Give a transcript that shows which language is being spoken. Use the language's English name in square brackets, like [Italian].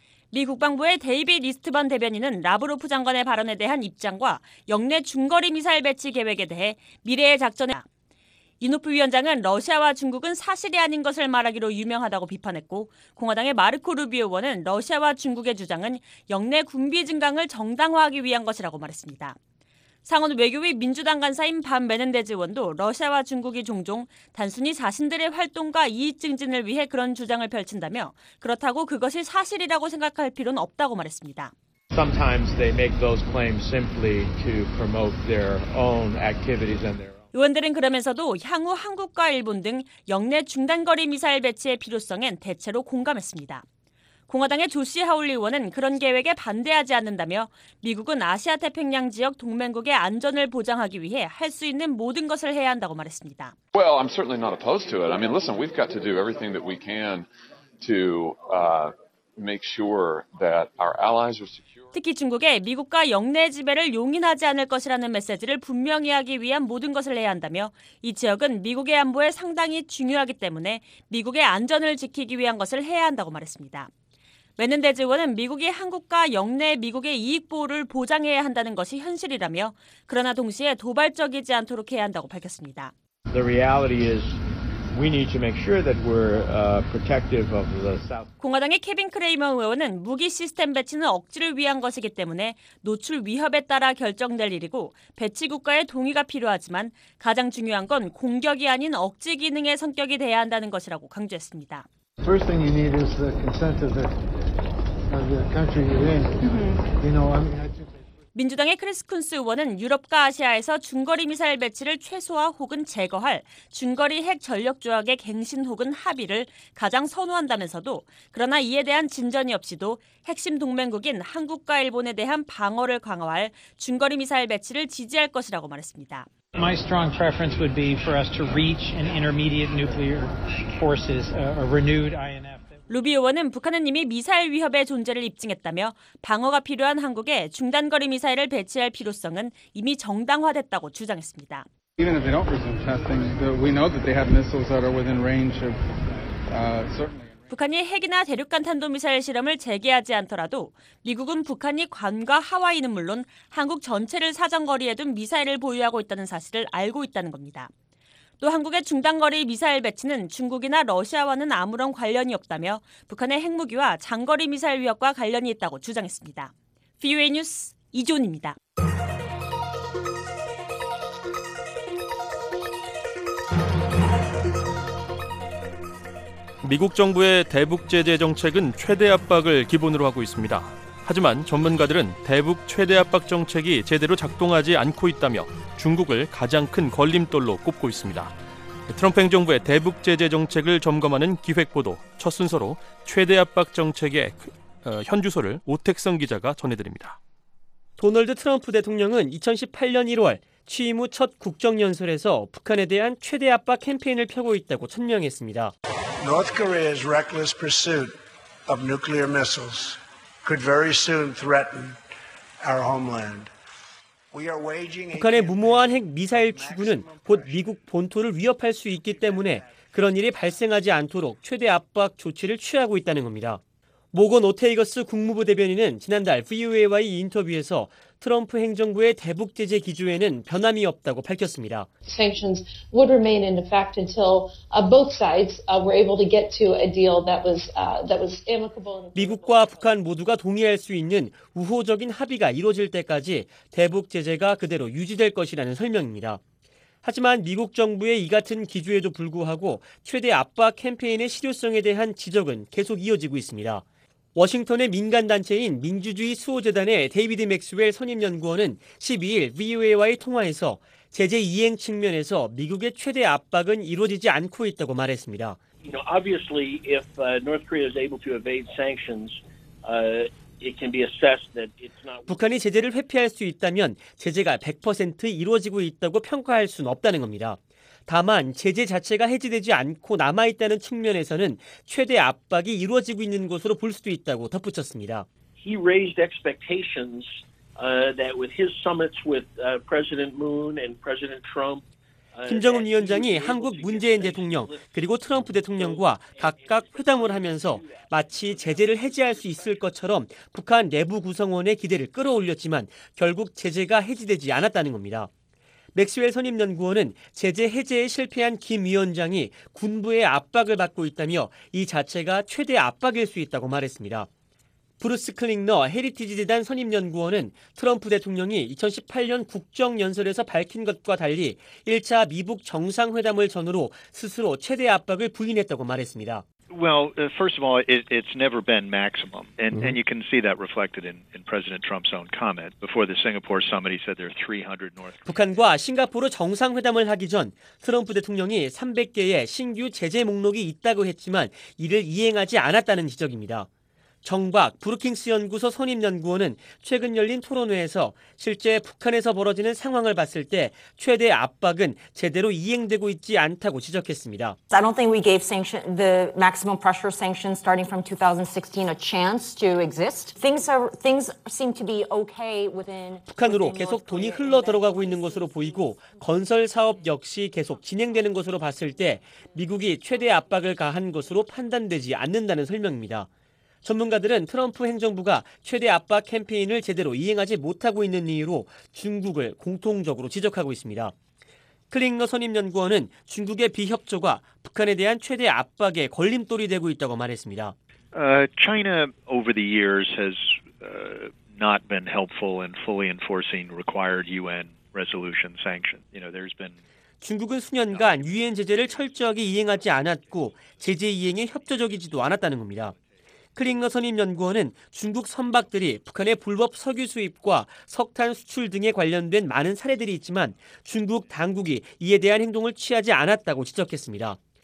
[Korean] 미 국방부의 데이빗 이스트번 대변인은 라브로프 장관의 발언에 대한 입장과 영내 중거리 미사일 배치 계획에 대해 미래의 작전에 이노프 위원장은 러시아와 중국은 사실이 아닌 것을 말하기로 유명하다고 비판했고 공화당의 마르코 루비오 의원은 러시아와 중국의 주장은 영내 군비 증강을 정당화하기 위한 것이라고 말했습니다. 상원 외교위 민주당 간사인 밤 메넨데즈 의원도 러시아와 중국이 종종 단순히 자신들의 활동과 이익 증진을 위해 그런 주장을 펼친다며 그렇다고 그것이 사실이라고 생각할 필요는 없다고 말했습니다. [English] Sometimes they make those claims simply to promote their own activities and their [Korean] 의원들은 그러면서도 향후 한국과 일본 등 영내 중단거리 미사일 배치의 필요성엔 대체로 공감했습니다. 공화당의 조시 하울리 의원은 그런 계획에 반대하지 않는다며 미국은 아시아 태평양 지역 동맹국의 안전을 보장하기 위해 할 수 있는 모든 것을 해야 한다고 말했습니다. [English] Well, I'm certainly not opposed to it. I mean, listen, we've got to do everything that we can to make sure that our allies are secure. [Korean] 특히 중국에 미국과 영내 지배를 용인하지 않을 것이라는 메시지를 분명히 하기 위한 모든 것을 해야 한다며 이 지역은 미국의 안보에 상당히 중요하기 때문에 미국의 안전을 지키기 위한 것을 해야 한다고 말했습니다. 메넨데즈 의원은 미국이 한국과 영내 미국의 이익 보호를 보장해야 한다는 것이 현실이라며 그러나 동시에 도발적이지 않도록 해야 한다고 밝혔습니다. [English] The reality is we need to make sure that we're protective of the south. [Korean] 공화당의 케빈 크레이머 의원은 무기 시스템 배치는 억지를 위한 것이기 때문에 노출 위협에 따라 결정될 일이고 배치 국가의 동의가 필요하지만 가장 중요한 건 공격이 아닌 억지 기능의 성격이 돼야 한다는 것이라고 강조했습니다. [English] First thing you need is the consent of the country you're in. Mm-hmm. You know, I mean, I think [Korean] 민주당의 크리스 쿤스 의원은 유럽과 아시아에서 중거리 미사일 배치를 최소화 혹은 제거할 중거리 핵 전력 조약의 갱신 혹은 합의를 가장 선호한다면서도 그러나 이에 대한 진전이 없이도 핵심 동맹국인 한국과 일본에 대한 방어를 강화할 중거리 미사일 배치를 지지할 것이라고 말했습니다. [English] My strong preference would be for us to reach an intermediate nuclear forces, a renewed INF. [Korean] 루비 의원은 북한은 이미 미사일 위협의 존재를 입증했다며 방어가 필요한 한국에 중단거리 미사일을 배치할 필요성은 이미 정당화됐다고 주장했습니다. [English] Even if they don't resume testing, we know that they have missiles that are within range of certainly. [Korean] 북한이 핵이나 대륙간 탄도미사일 실험을 재개하지 않더라도 미국은 북한이 괌과 하와이는 물론 한국 전체를 사정거리에 둔 미사일을 보유하고 있다는 사실을 알고 있다는 겁니다. 또 한국의 중단거리 미사일 배치는 중국이나 러시아와는 아무런 관련이 없다며 북한의 핵무기와 장거리 미사일 위협과 관련이 있다고 주장했습니다. VOA 뉴스 이존입니다. 미국 정부의 대북 제재 정책은 최대 압박을 기본으로 하고 있습니다. 하지만 전문가들은 대북 최대 압박 정책이 제대로 작동하지 않고 있다며 중국을 가장 큰 걸림돌로 꼽고 있습니다. 트럼프 행정부의 대북 제재 정책을 점검하는 기획보도 첫 순서로 최대 압박 정책의 현주소를 오택성 기자가 전해드립니다. 도널드 트럼프 대통령은 2018년 1월 취임 후 첫 국정연설에서 북한에 대한 최대 압박 캠페인을 펴고 있다고 천명했습니다. [English] North Korea's reckless pursuit of nuclear missiles could very soon threaten our homeland. We are waging [Korean] 북한의 무모한 핵 미사일 추구는 곧 미국 본토를 위협할 수 있기 때문에 그런 일이 발생하지 않도록 최대 압박 조치를 취하고 있다는 겁니다. 모건 오테이거스 국무부 대변인은 지난달 VOA와의 인터뷰에서 트럼프 행정부의 대북 제재 기조에는 변함이 없다고 밝혔습니다. [English] Sanctions would remain in effect until both sides were able to get to a deal that was amicable. [Korean] 미국과 북한 모두가 동의할 수 있는 우호적인 합의가 이루어질 때까지 대북 제재가 그대로 유지될 것이라는 설명입니다. 하지만 미국 정부의 이 같은 기조에도 불구하고 최대 압박 캠페인의 실효성에 대한 지적은 계속 이어지고 있습니다. 워싱턴의 민간단체인 민주주의 수호재단의 데이비드 맥스웰 선임연구원은 12일 VOA와의 통화에서 제재 이행 측면에서 미국의 최대 압박은 이루어지지 않고 있다고 말했습니다. [English] You know, obviously, if North Korea is able to evade sanctions, it can be assessed that it's not. [Korean] 북한이 제재를 회피할 수 있다면 제재가 100% 이루어지고 있다고 평가할 수는 없다는 겁니다. 다만 제재 자체가 해제되지 않고 남아있다는 측면에서는 최대 압박이 이루어지고 있는 것으로 볼 수도 있다고 덧붙였습니다. [English] He raised expectations that with his summits with President Moon and President Trump. [Korean] 김정은 위원장이 한국 문재인 대통령 그리고 트럼프 대통령과 각각 회담을 하면서 마치 제재를 해제할 수 있을 것처럼 북한 내부 구성원의 기대를 끌어올렸지만 결국 제재가 해제되지 않았다는 겁니다. 맥스웰 선임연구원은 제재 해제에 실패한 김 위원장이 군부의 압박을 받고 있다며 이 자체가 최대 압박일 수 있다고 말했습니다. 브루스 클링너 헤리티지 재단 선임연구원은 트럼프 대통령이 2018년 국정연설에서 밝힌 것과 달리 1차 미북 정상회담을 전후로 스스로 최대 압박을 부인했다고 말했습니다. [English] Well, first of all, it's never been maximum. And you can see that reflected in President Trump's own comment. Before the Singapore summit, he said there are 300 North Korea. [Korean] 북한과 싱가포르 정상회담을 하기 전 트럼프 대통령이 300개의 신규 제재 목록이 있다고 했지만 이를 이행하지 않았다는 지적입니다. 정박 브루킹스 연구소 선임연구원은 최근 열린 토론회에서 실제 북한에서 벌어지는 상황을 봤을 때 최대 압박은 제대로 이행되고 있지 않다고 지적했습니다. [English] I don't think we gave the maximum pressure sanctions starting from 2016 a chance to exist. Things seem to be okay within. [Korean] 북한으로 계속 돈이 흘러 들어가고 있는 것으로 보이고 건설 사업 역시 계속 진행되는 것으로 봤을 때 미국이 최대 압박을 가한 것으로 판단되지 않는다는 설명입니다. 전문가들은 트럼프 행정부가 최대 압박 캠페인을 제대로 이행하지 못하고 있는 이유로 중국을 공통적으로 지적하고 있습니다. 클링너 선임연구원은 중국의 비협조가 북한에 대한 최대 압박의 걸림돌이 되고 있다고 말했습니다. [English] China over the years has not been helpful in fully enforcing required UN resolution sanctions. You know, there's been [Korean] 중국은 수년간 유엔 제재를 철저하게 이행하지 않았고 제재 이행에 협조적이지도 않았다는 겁니다. 클링너 선임연구원은 중국 선박들이 북한의 불법 석유 수입과 석탄 수출 등에 관련된 많은 사례들이 있지만 중국 당국이 이에 대한 행동을 취하지 않았다고 지적했습니다.